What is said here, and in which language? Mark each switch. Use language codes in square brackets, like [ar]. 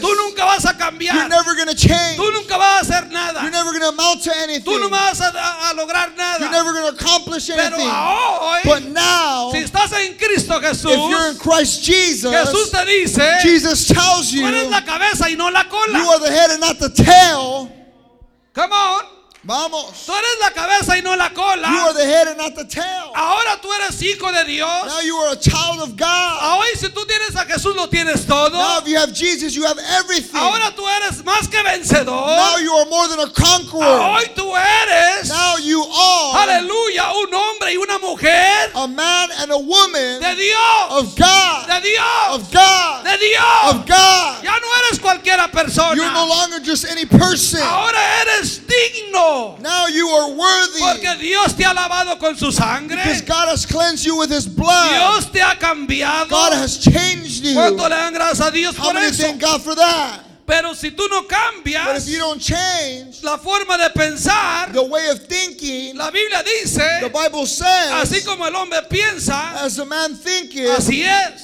[es] Tú nunca vas a cambiar. [en] You're never going to change. [es] Tú nunca vas a hacer nada. [en] You're never going to amount to anything. [es] Tú no vas a lograr nada. [en] You're never going to accomplish anything. [es] Pero hoy, [en] but now, [es] si estás en Cristo Jesús, [en] if you're in Christ Jesus, [es] Jesús te dice, [en] Jesus tells you, [es] ¿cuál es la cabeza y no la cola? [en] You are the head and not the tail. Come on. [es] Vamos. Tú eres la cabeza y no la cola. [en] You are the head and not the tail. [es] Ahora tú eres hijo de Dios. [en] Now you are a child of God. [es] Hoy si tú tienes a Jesús lo tienes todo. [en] Now if you have Jesus you have everything. [es] Ahora tú eres más que vencedor. [en] Now you are more than a conqueror. [es] Hoy tú eres. [en] Now you are. [es] Aleluya, un hombre y una mujer. [en] A man and a woman. [es] De Dios. [en] Of God. [es] De Dios. [en] Of God. [es] De Dios. [en] Of God. [es] Ya no eres cualquiera persona. [en] You're no longer just any person. [es] Ahora eres digno. [en] Now you are worthy. [es] Porque Dios te ha lavado con su sangre. [en] Because God has cleansed you with his blood. [es] Dios te ha cambiado. [en] God has changed you. [es] ¿Cuánto le dan gracias a Dios por eso? [en] How many thank God for that? [es] Pero si tú no cambias, [en] but if you don't change, [es] la forma de pensar, [en] the way of thinking, [es] la Biblia dice, [en] the Bible says, [es] así como el hombre piensa, [en] as a man thinking, [es] así es,